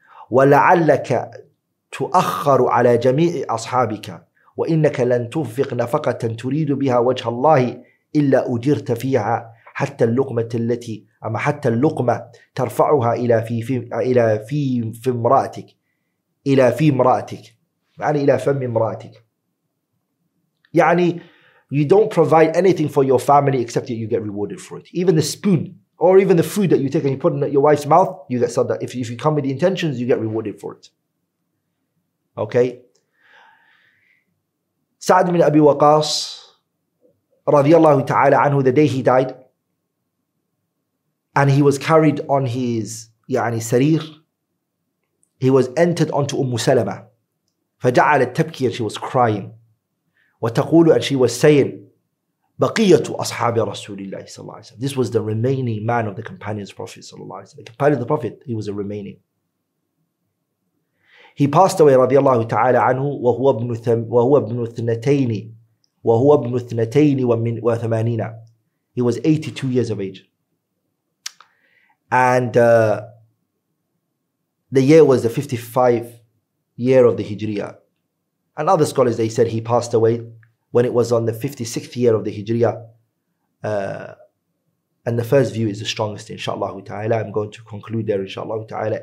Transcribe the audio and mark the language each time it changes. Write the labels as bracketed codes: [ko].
[ar] وَلَعَلَّكَ تُؤَخَّرُ عَلَى جَمِيعِ أَصْحَابِكَ وَإِنَّكَ لَنْ تُفِّقْ نَفَقَةً تُرِيدُ بِهَا وَجْهَ اللَّهِ إِلَّا أُجِرْتَ فِيهَا حتى اللقمة التي أما حتى اللقمة ترفعها إلى في امرأتك إلى في امرأتك يعني إلى فم امرأتك يعني. [en] You don't provide anything for your family except that you get rewarded for it. Even the spoon or even the food that you take and you put in your wife's mouth, you get sadaqah. If you come with the intentions, you get rewarded for it. Okay. سعد بن أبي وقاص [ar] رضي الله تعالى عنه, [en] the day he died, and he was carried on his يعني سرير, he was entered onto Umm Salama. [ar] فجعلت تبكي, [en] and she was crying. [ar] وتقول, [en] and she was saying, [ar] بقية أصحاب رسول الله صلى الله عليه وسلم. [en] This was the remaining man of the companions of Prophet [ar] صلى الله عليه وسلم. [en] The companion of the Prophet, he was a remaining. He passed away [ar] رضي الله تعالى عنه وهو ابن اثنتين وثمانين. [en] He was 82 years of age. And the year was the 55th year of the Hijriya. And other scholars, they said he passed away when it was on the 56th year of the Hijriya. And the first view is the strongest, inshallah ta'ala. I'm going to conclude there, inshallah ta'ala.